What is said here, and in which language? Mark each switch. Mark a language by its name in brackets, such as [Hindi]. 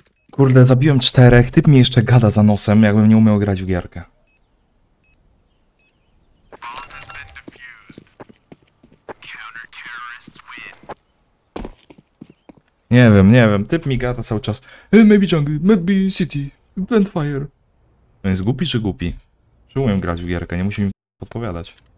[Polish] Kurde, zabiłem czterech, typ mi jeszcze gada za nosem, jakbym nie umiał grać w gierkę. Nie wiem, nie wiem, typ mi gada cały czas. [English] Maybe jungle, maybe city, plant fire. [Polish] On jest głupi czy głupi? Czy umiem grać w gierkę, nie musi mi podpowiadać.